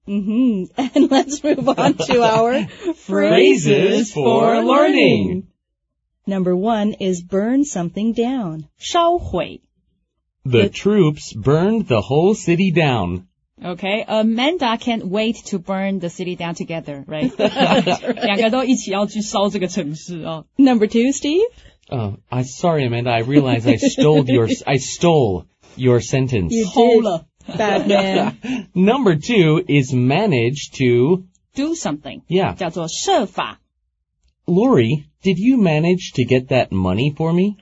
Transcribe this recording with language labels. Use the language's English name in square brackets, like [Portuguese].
[English] Mm-hmm. And let's move on to our phrases for learning. Number one is burn something down. [Chinese] 烧毁 [English] The troops burned the whole city down. Okay, Amanda can't wait to burn the city down together, right? [Chinese] 两个都一起要去烧这个城市哦。 [English] Number two, Steve? Sorry, Amanda, I realize I stole your sentence. You stole, bad man. Number two is manage to... Do something. Yeah. [Chinese] 叫做设法。 [English] Lori, did you manage to get that money for me?